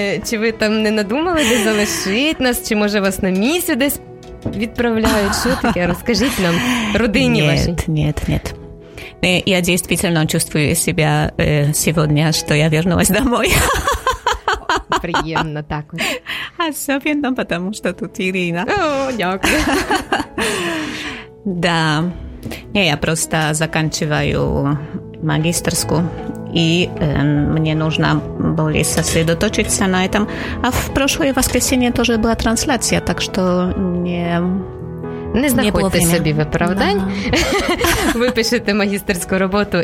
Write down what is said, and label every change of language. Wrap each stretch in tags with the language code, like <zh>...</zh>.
<uk>Чи ви там не надумали, де залишить нас? Чи, може, вас на місці десь відправляють? Що таке? Розкажіть нам, родині вашій. Ні. Я дійсно чувствую себе сьогодні, що я</uk> <ru>вернулась домой.</ru> <uk>Приємно так.</uk> <ru>Особенно, потому что тут Ирина.</ru> <uk>О, дякую.</uk> <ru>Да. Не, я просто заканчиваю магистерскую. И мне нужно более сосредоточиться на этом. А в прошлое воскресенье тоже была трансляция, так что не...</ru> <uk>Не знаходьте собі виправдань. Да. Ви пишете магістерську роботу.</uk>